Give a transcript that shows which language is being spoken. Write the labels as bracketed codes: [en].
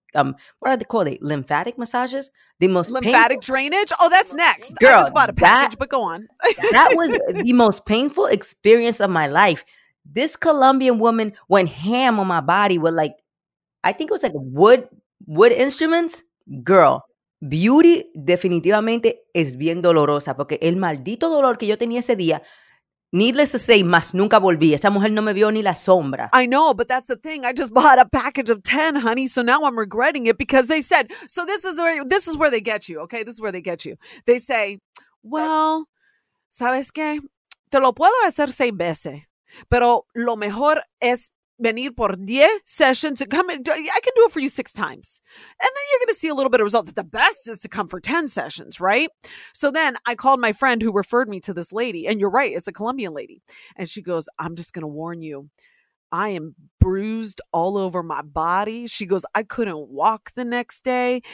[en] What are they called? Lymphatic massages? The most lymphatic drainage? Oh, that's next. Girl, I just bought a package, but go on. That was the most painful experience of my life. This Colombian woman went ham on my body with like, I think it was like wood instruments. Girl. [es] Beauty definitivamente es bien dolorosa porque el maldito dolor que yo tenía ese día, [en] needless to say, [es] más nunca volví. Esa mujer no me vio ni la sombra. [en] I know, but that's the thing. I just bought a package of 10, honey, so now I'm regretting it because they said, so this is where they get you, okay? This is where they get you. They say, well, [es] ¿sabes qué? Te lo puedo hacer 6 veces, pero lo mejor es venir por 10 sessions. [en] Come in, I can do it for you 6 times. And then you're going to see a little bit of results. The best is to come for 10 sessions, right? So then I called my friend who referred me to this lady. And you're right, it's a Colombian lady. And she goes, I'm just going to warn you. I am bruised all over my body. She goes, I couldn't walk the next day.